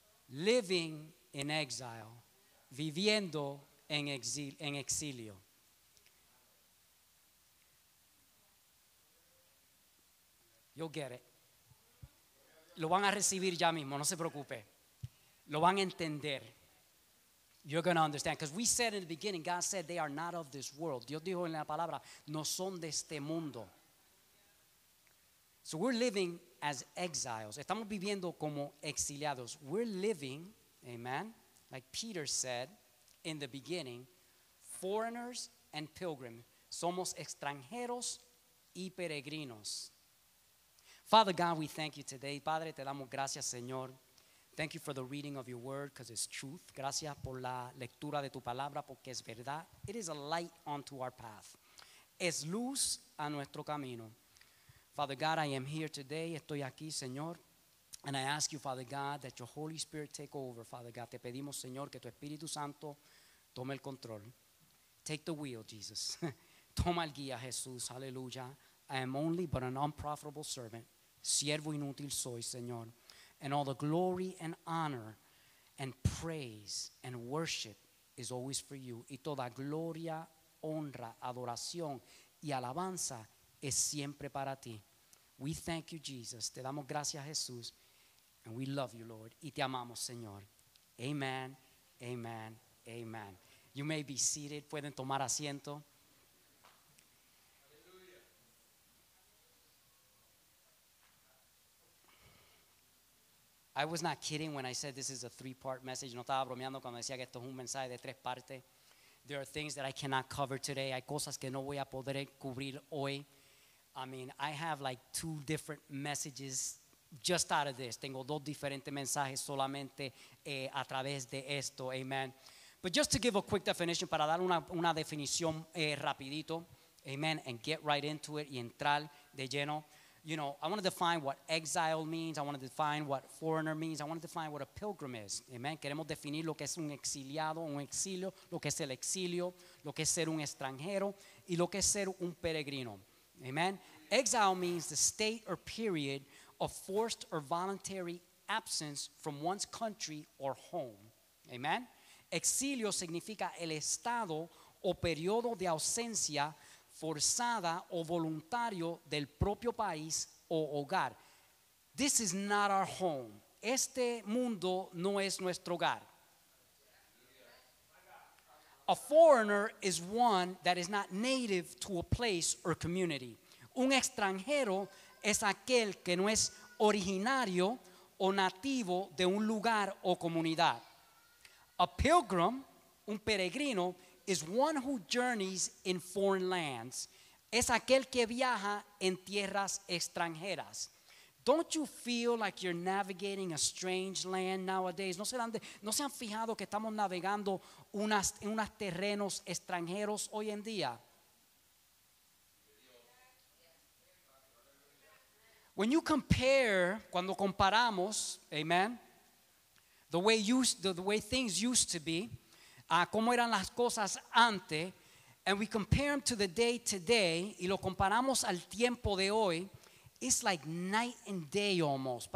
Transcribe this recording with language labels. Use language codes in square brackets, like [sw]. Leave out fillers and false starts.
[en] Living in exile, [es] viviendo en exilio. [en] You'll get it. [es] Lo van a recibir ya mismo, no se preocupe. Lo van a entender. [en] You're going to understand. Because we said in the beginning, God said they are not of this world. [es] Dios dijo en la palabra, no son de este mundo. [en] So we're living as exiles. [es] Estamos viviendo como exiliados. [en] We're living, amen, like Peter said in the beginning, foreigners and pilgrims. [es] Somos extranjeros y peregrinos. [en] Father God, we thank you today. [es] Padre, te damos gracias, Señor. [en] Thank you for the reading of your word, because it's truth. [es] Gracias por la lectura de tu palabra, porque es verdad. [en] It is a light onto our path. [es] Es luz a nuestro camino. [en] Father God, I am here today. [es] Estoy aquí, Señor. [en] And I ask you, Father God, that your Holy Spirit take over, Father God. [es] Te pedimos, Señor, que tu Espíritu Santo tome el control. [en] Take the wheel, Jesus. [es] Toma el guía, Jesús. [en] Hallelujah. I am only but an unprofitable servant. [es] Siervo inútil soy, Señor. [en] And all the glory and honor and praise and worship is always for you. [es] Y toda gloria, honra, adoración y alabanza es siempre para ti. [en] We thank you, Jesus. [es] Te damos gracias, Jesús. [en] And we love you, Lord. [es] Y te amamos, Señor. Amen, amen, amen. [en] You may be seated. [es] Pueden tomar asiento. [en] I was not kidding when I said this is a three-part message. [es] No estaba bromeando cuando decía que esto es un mensaje de tres partes. [en] There are things that I cannot cover today. [es] Hay cosas que no voy a poder cubrir hoy. [en] I mean, I have like two different messages just out of this. [es] Tengo dos diferentes mensajes solamente a través de esto. [en] Amen. But just to give a quick definition, [es] para dar una definición rapidito, [en] amen, and get right into it [es] y entrar de lleno. [en] You know, I want to define what exile means. I want to define what foreigner means. I want to define what a pilgrim is. Amen. [es] Queremos definir lo que es un exiliado, un exilio, lo que es el exilio, lo que es ser un extranjero y lo que es ser un peregrino. Amen. [en] Exile means the state or period of forced or voluntary absence from one's country or home. Amen. [es] Exilio significa el estado o periodo de ausencia forzada o voluntario del propio país o hogar. [en] This is not our home. [es] Este mundo no es nuestro hogar. [en] A foreigner is one that is not native to a place or community. [es] Un extranjero es aquel que no es originario o nativo de un lugar o comunidad. [en] A pilgrim, [es] un peregrino, [en] is one who journeys in foreign lands. [es] Es aquel que viaja en tierras extranjeras. [en] Don't you feel like you're navigating a strange land nowadays? [es] ¿No se han fijado que estamos navegando unos terrenos extranjeros hoy en día? [en] When you compare, [es] cuando comparamos, [en] amen, the way things used to be, [es] como eran las cosas antes, [en] and we compare them to the day today, [es] y lo comparamos al tiempo de hoy, [en] it's like night and day almost.